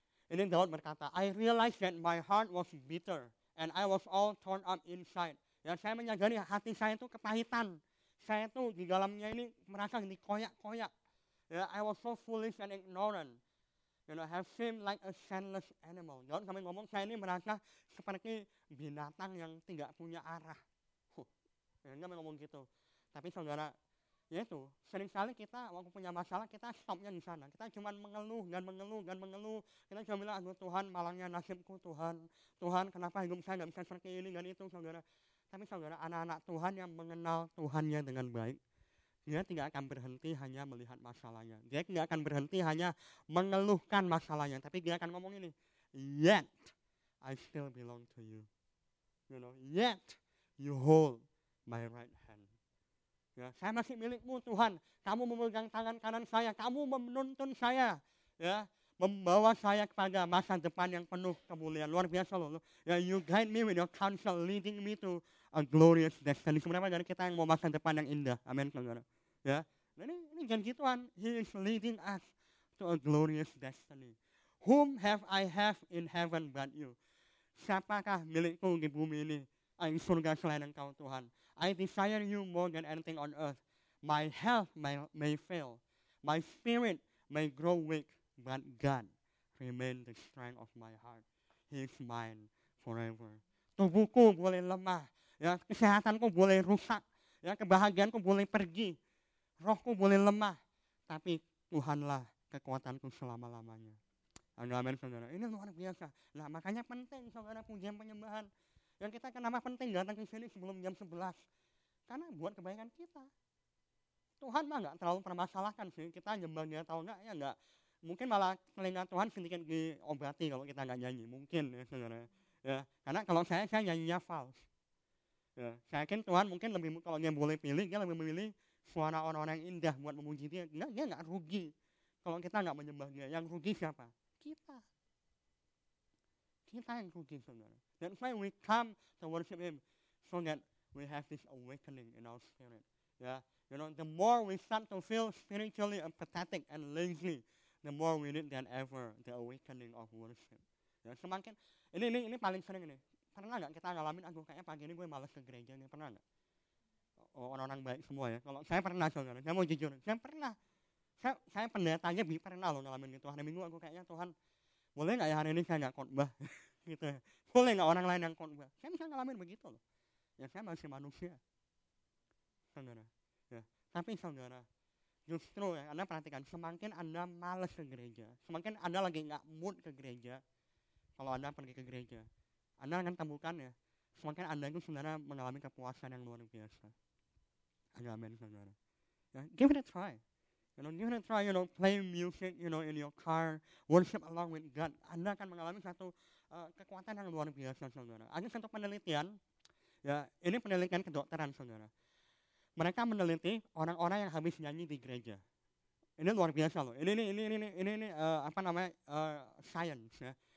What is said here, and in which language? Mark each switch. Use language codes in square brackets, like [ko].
[id] Ini Daud berkata, [en] I realized that my heart was bitter and I was all torn up inside. [id] Ya, saya menyadari hati saya itu kepahitan. Saya itu di dalamnya ini merasa ini koyak-koyak. [en] Ya, I was so foolish and ignorant. You know, have seemed like a senseless animal. [id] Daud sampai ngomong, saya ini merasa seperti binatang yang tidak punya arah. Ya, dia ngomong gitu. Tapi saudara, ya itu, seringkali kita waktu punya masalah, kita stopnya di sana. Kita cuma mengeluh dan mengeluh dan mengeluh. Kita cuma bilang, aduh Tuhan, malangnya nasibku Tuhan. Tuhan, kenapa hidup saya gak bisa seperti ini dan itu, saudara. Tapi saudara, anak-anak Tuhan yang mengenal Tuhannya dengan baik, dia tidak akan berhenti hanya melihat masalahnya. Dia tidak akan berhenti hanya mengeluhkan masalahnya. Tapi dia akan ngomong ini, [en] yet I still belong to you. You know, yet you hold my right hand. [id] Ya, saya masih milikmu Tuhan. Kamu memegang tangan kanan saya. Kamu menuntun saya. Ya, membawa saya kepada masa depan yang penuh kemuliaan. Luar biasa loh. [en] Ya, you guide me with your counsel, leading me to a glorious destiny. [id] Sebenarnya dari kita yang mau masa depan yang indah. Amin, saudara. Ya, ini janji Tuhan. [en] He is leading us to a glorious destiny. Whom have I have in heaven but you? [id] Siapakah milikku di bumi ini? Ayat surga selain engkau Tuhan. [en] I desire you more than anything on earth. My health may fail. My spirit may grow weak. But God remains the strength of my heart. He is mine forever. [id] Tubuhku boleh lemah. Ya, kesehatanku boleh rusak. Ya, kebahagiaanku boleh pergi. Rohku boleh lemah. Tapi Tuhanlah kekuatanku selama-lamanya. Amin, saudara. Ini luar biasa. Nah, makanya penting saudara pujian penyembahan. Yang kita kenapa penting datang ke sini sebelum jam 11. Karena buat kebaikan kita. Tuhan mah enggak terlalu permasalahkan sih. Kita nyembah dia tahu enggak, ya enggak. Mungkin malah telinga Tuhan sedikit diobati kalau kita enggak nyanyi. Mungkin ya sebenarnya. Ya. Karena kalau saya nyanyinya fals. Ya. Saya yakin Tuhan mungkin lebih kalau dia boleh pilih, dia lebih memilih suara orang-orang yang indah buat memuji dia. Enggak, dia enggak rugi. Kalau kita enggak menyembah dia, yang rugi siapa? Kita. Kita yang rugi sebenarnya. [en] That's why we come to worship Him, so that we have this awakening in our spirit. Yeah, you know, the more we start to feel spiritually apathetic and lazy, the more we need than ever the awakening of worship. [id] Yeah, semakin ini paling sering ini. Pernah nggak kita ngalamin? Aku kayaknya pagi ini gue malas ke gereja nih. Pernah nggak? Oh, orang-orang baik semua ya. Kalau saya pernah, saudara. Saya mau jujur. Saya pernah. Saya pendetanya bi pernah loh ngalamin itu. Hari Minggu aku kayaknya Tuhan, boleh nggak ya hari ini saya nggak khotbah? Gitu ya. Boleh nggak orang lain yang konvoi? Saya bisa ngalamin begitu loh. Ya saya masih manusia, saudara. Ya. Tapi saudara, justru ya, Anda perhatikan, semakin Anda malas ke gereja, semakin Anda lagi nggak mood ke gereja, kalau Anda pergi ke gereja, Anda akan temukan ya, semakin Anda itu sebenarnya mengalami kepuasan yang luar biasa. Amin, saudara. Ya, [en] give it a try. [id] You know, give it a try. [en] You know, play music. You know, in your car, worship along with God. [id] Anda akan mengalami satu kekuatan yang luar biasa, saudara. Ada satu penelitian, ya, ini penelitian kedokteran, saudara. Mereka meneliti orang-orang yang habis nyanyi di gereja. Ini luar biasa loh. Ini science, ya.